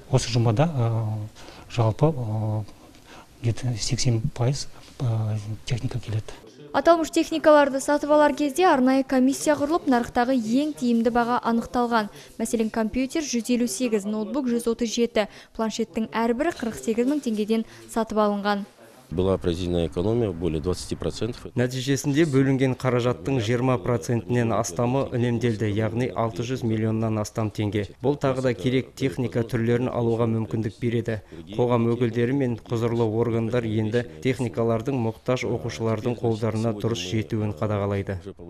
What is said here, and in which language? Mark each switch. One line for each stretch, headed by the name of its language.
Kazakh: Осы жұмада жалпы 80% техника келеді. Аталмыш техникаларды сатып алар кезде арнайы комиссия құрылып, нарықтағы ең тиімді баға анықталған. Мәселен, компьютер 158, ноутбук 137, планшеттің әрбірі 48 мың теңгеден сатып алынған.
Russian: Была произведена экономия более 20%.
Kazakh: Нәтижесінде бөлінген қаражаттың 20%-нен астамы үнемделді, яғни 600 миллионнан астам теңге. Бұл тағы да керек техника түрлерін алуға мүмкіндік береді. Қоғам өкілдері мен құзырлы органдар енді техникалардың мұқтаж оқушылардың қолдарына дұрыс жетуін қадағалайды.